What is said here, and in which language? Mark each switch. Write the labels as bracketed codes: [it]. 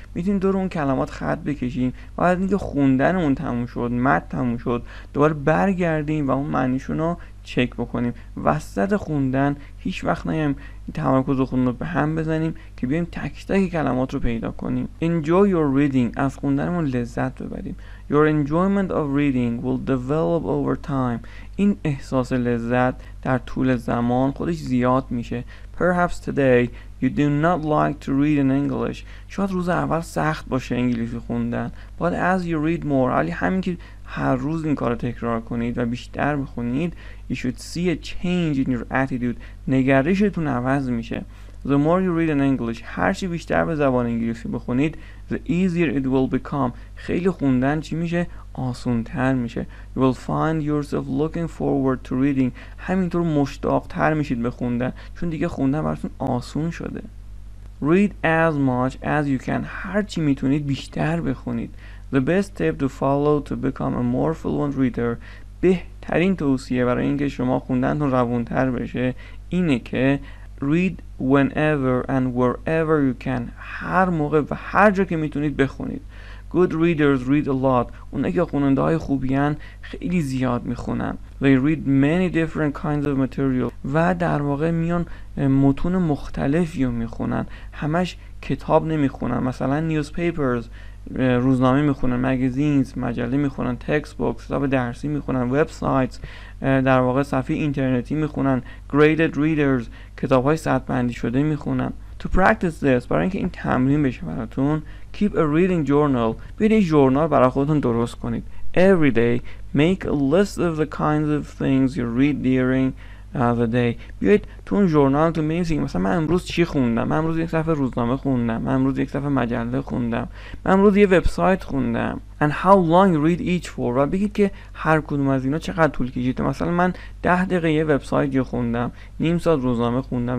[fa] میتونیم دور اون کلمات خط بکشیم و بعد اینکه خوندنمون تموم شد, متن تموم شد, دوباره برگردیم و اون معنیشون رو چک بکنیم. وسط خوندن هیچ وقت نیم تمرکز خوندن رو به هم بزنیم که بیایم تک تک کلمات رو پیدا کنیم. [en] Enjoy your reading. [fa] از خوندنمون لذت ببریم. [en] Your enjoyment of reading will develop over time. [fa] این احساس لذت در طول زمان خودش زیاد میشه. [en] Perhaps today you do not like to read in English. [fa] شاید روز اول سخت باشه انگلیسی خوندن. [en] But as you read more, [fa] علی همین که هر روز این کارو تکرار کنید و بیشتر بخونید, [en] you should see a change in your attitude. [fa] نگرشتون عوض میشه. [en] The more you read in English, [fa] هر چی بیشتر به زبان انگلیسی بخونید, [en] the easier it will become. [fa] خیلی خوندن چی میشه؟ آسان‌تر میشه. [en] You will find yourself looking forward to reading. [fa] همینطور مشتاق‌تر میشید به خوندن, چون دیگه خوندن براتون آسون شده. [en] Read as much as you can. [fa] هر چی میتونید بیشتر بخونید. [en] The best tip to follow to become a more fluent reader. [fa] بهترین توصیه برای اینکه شما خوندنتون روان‌تر بشه اینه که [en] read whenever and wherever you can. [fa] هر موقع و هر جا که میتونید بخونید. [en] Good readers read a lot. [fa] اونایی که خواننده های خوبی هستند خیلی زیاد میخونن. [en] They read many different kinds of material. [fa] و در واقع میان متون مختلفی رو میخونن. همش کتاب نمیخونن. مثلا newspapers, روزنامه میخونن, magazines, مجله میخونن, textbooks, کتاب درسی میخونن, websites, در واقع صفحه اینترنتی میخونن, graded readers, کتاب های سطح بندی شده میخونن. [en] To practice this, [fa] برای اینکه این تمرین بشه براتون, [en] keep a reading journal. [fa] بیاید این جورنال برای خودتون درست کنید. [en] Every day, make a list of the kinds of things you read during the day. [fa] بیاید تو اون جورنالتون بنویسید مثلا من امروز چی خوندم. من امروز یک صفحه روزنامه خوندم. من امروز یک صفحه مجله خوندم. من امروز یه وبسایت خوندم. [en] And how long you read each for. [fa] و بگید که هر کدوم از اینا چقدر طول کشید. مثلا من 10 دقیقه یه وبسایت رو خوندم, نیم ساعت روزنامه خوندم.